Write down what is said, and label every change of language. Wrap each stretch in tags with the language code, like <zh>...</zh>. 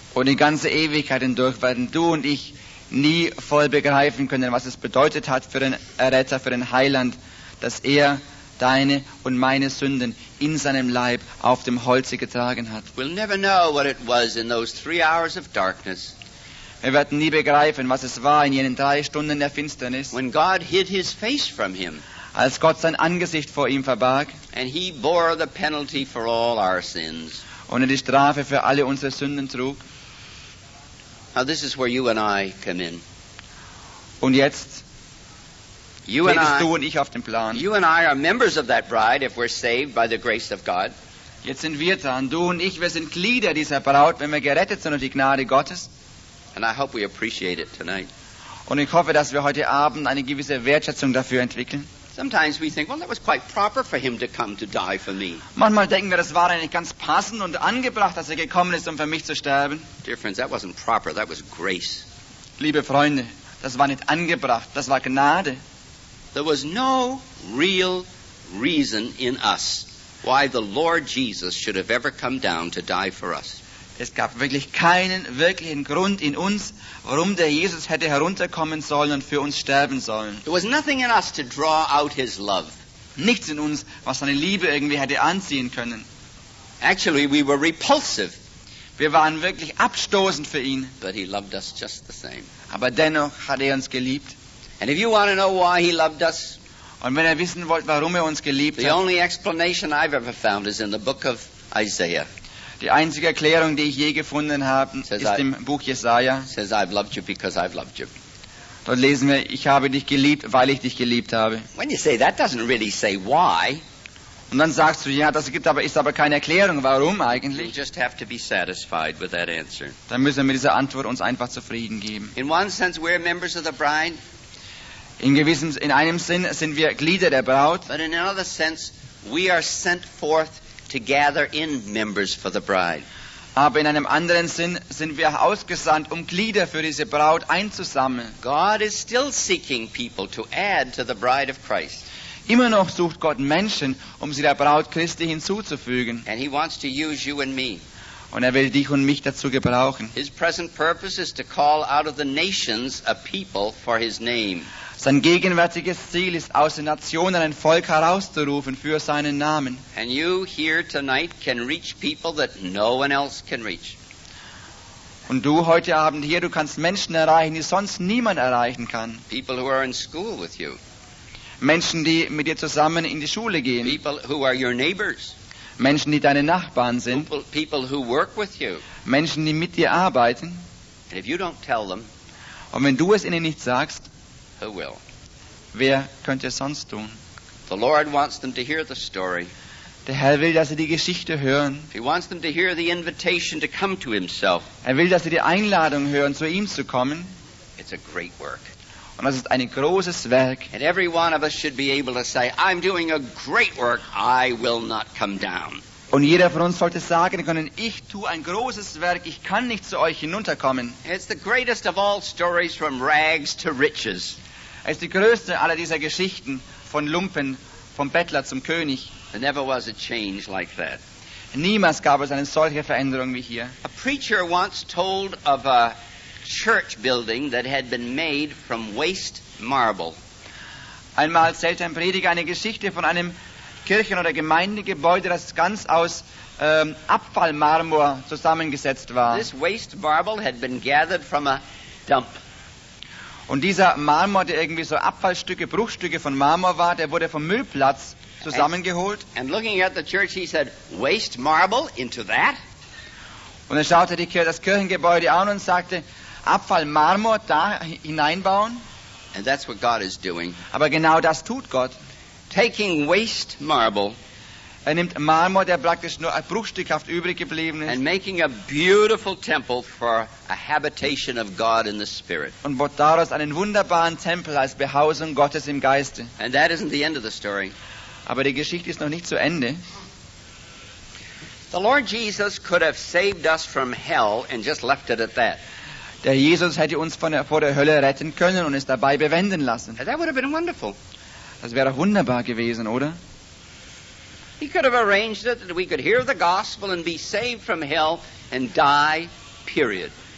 <de>Und die ganze Ewigkeit hindurch werden du und ich nie voll begreifen können, was es bedeutet hat für den Erretter, für den Heiland, dass er deine und meine Sünden in seinem Leib auf dem Holze getragen hat.</de> <en>We'll never know what it was in those 3 hours of darkness.</en> <de>Wir werden nie begreifen, was es war in jenen 3 Stunden der Finsternis.</de> <en>When God hid his face from him.</en> <de>Als Gott sein Angesicht vor ihm verbarg.</de> <en>And he bore the penalty for all our sins.</en> <de>Und er die Strafe für alle unsere Sünden trug.</de> <en>Now this is where you and I come in.</en> <de>Und jetzt redest du und ich auf dem Plan.</de> <en>You and I are members of that bride if we're saved by the grace of God.</en> <de>Jetzt sind wir dran. Du und ich, wir sind Glieder dieser Braut, wenn wir gerettet sind durch die Gnade Gottes.</de> <en>And I hope we appreciate it tonight.</en> <de>Und ich hoffe, dass wir heute Abend eine gewisse Wertschätzung dafür entwickeln.</de> <en>Sometimes we think, well, that was quite proper for him to come to die for me.</en> <de>Manchmal denken wir, das war eigentlich ganz passend und angebracht, dass er gekommen ist, um für mich zu sterben.</de> <en>Dear friends, that wasn't proper, that was grace.</en> <de>Liebe Freunde, das war nicht angebracht, das war Gnade.</de> <en>There was no real reason in us why the Lord Jesus should have ever come down to die for us.</en> <de>Es gab wirklich keinen wirklichen Grund in uns, warum der Jesus hätte herunterkommen sollen und für uns sterben sollen.</de> <en>There was nothing in us to draw out his love.</en> <de>Nichts in uns, was seine Liebe irgendwie hätte anziehen können.</de> <en>Actually, we were repulsive.</en> <de>Wir waren wirklich abstoßend für ihn.</de> <en>But he loved us just the same.</en> <de>Aber dennoch hat er uns geliebt.</de> <en>And if you want to know why he loved us,</en> <de>und wenn ihr wissen wollt, warum er uns geliebt</de> <en>the</en> <de>hat,</de> <en>the only explanation I've ever found is in the book of Isaiah.</en> <de>Die einzige Erklärung, die ich je gefunden habe, ist im Buch Jesaja.</de> <en>Says, I've loved you because I've loved you.</en> <de>Dort lesen wir, ich habe dich geliebt, weil ich dich geliebt habe.</de> <en>When you say that, doesn't really say why.</en> <de>Und dann sagst du, ja, das gibt aber, ist aber keine Erklärung, warum eigentlich.</de> <en>You just have to be satisfied with that answer.</en> <de>Dann müssen wir mit dieser Antwort uns einfach zufrieden geben.</de> <en>In one sense, we're members of the bride.</en> <de>In einem Sinn sind wir Glieder der Braut.</de> <en>But in another sense, we are sent forth to gather in members for the bride.</en> <de>Aber in einem anderen Sinn sind wir ausgesandt, um Glieder für diese Braut einzusammeln.</de> <en>God is still seeking people to add to the bride of Christ.</en> <de>Immer noch sucht Gott Menschen, um sie der Braut Christi hinzuzufügen.</de> <en>And he wants to use you and me.</en> <de>Und er will dich und mich dazu gebrauchen.</de> <en>His present purpose is to call out of the nations a people for his name.</en> <de>Sein gegenwärtiges Ziel ist, aus den Nationen ein Volk herauszurufen für seinen Namen.</de> <en>And you here tonight can reach people that no one else can reach.</en> <de>Und du heute Abend hier, du kannst Menschen erreichen, die sonst niemand erreichen kann.</de> <en>People who are in school with you.</en> <de>Menschen, die mit dir zusammen in die Schule gehen.</de> <en>People who are your neighbors.</en> <de>Menschen, die deine Nachbarn sind.</de> <en>People who work with you.</en> <de>Menschen, die mit dir arbeiten.</de> <en>And if you don't tell them,</en> <de>und wenn du es ihnen nicht sagst,</de> <en>will.</en> <de>Wer könnte es sonst tun?</de> <en>The Lord wants them to hear the story.</en> <de>Der Herr will, dass sie die Geschichte hören.</de> <en>He wants them to hear the invitation to come to himself.</en> <de>Er will, dass sie die Einladung hören, zu ihm zu kommen.</de> <en>It's a great work.</en> <de>Und das ist ein großes Werk.</de> <en>And every one of us should be able to say, I'm doing a great work. I will not come down.</en> <de>Und jeder von uns sollte sagen können, ich tue ein großes Werk, ich kann nicht zu euch hinunterkommen.</de> <en>It's the greatest of all stories from rags to riches.</en> <de>Es ist die größte aller dieser Geschichten von Lumpen, vom Bettler zum König.</de> <en>There never was a change like that.</en> <de>Niemals gab es eine solche Veränderung wie hier.</de> <en>A preacher once told of a church building that had been made from waste marble.</en> <de>Einmal erzählte ein Prediger eine Geschichte von einem Kirchen- oder Gemeindegebäude, das ganz aus Abfallmarmor zusammengesetzt war.</de> <en>This waste marble had been gathered from a dump.</en> <de>Und dieser Marmor, der irgendwie so Abfallstücke, Bruchstücke von Marmor war, der wurde vom Müllplatz zusammengeholt.</de> <en>And looking at the church, he said, waste marble into that?</en> <de>Und er schaute das Kirchengebäude an und sagte, Abfallmarmor da hineinbauen?</de> <en>And that's what God is doing.</en> <de>Aber genau das tut Gott.</de> <en>Taking waste marble,</en> <de>er nimmt Marmor, der praktisch nur bruchstückhaft übrig geblieben ist,</de> <en>and making a beautiful temple for a habitation of God in the Spirit.</en> <de>Und baut daraus einen wunderbaren Tempel als Behausung Gottes im Geiste.</de> <en>And that isn't the end of the story.</en> <de>Aber die Geschichte ist noch nicht zu Ende.</de> <en>The Lord Jesus could have saved us from hell and just left it at that.</en> <de>Der Jesus hätte uns vor der Hölle retten können und es dabei bewenden lassen.</de> <en>That would have been wonderful.</en> <de>Das wäre wunderbar gewesen, oder?</de> <en>He could have arranged it that we could hear the gospel and be saved from hell and die, period.</en>